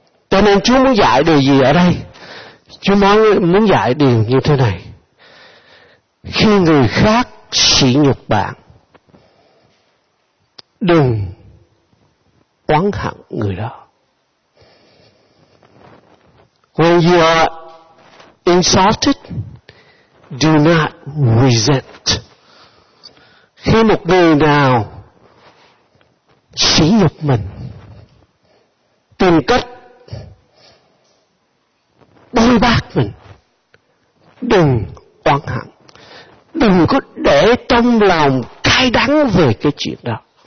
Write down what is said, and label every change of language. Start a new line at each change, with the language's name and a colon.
Vietnamese: Cho nên Chúa muốn dạy điều gì ở đây? Chúa muốn dạy điều như thế này: khi người khác sỉ nhục bạn, đừng oán hận người đó.
English: When you are insulted, do not resent.
Vietnamese: Khi một người nào sỉ nhục mình, tìm cách bôi bác mình, đừng oán hận, đừng có để trong lòng cay đắng về cái chuyện đó.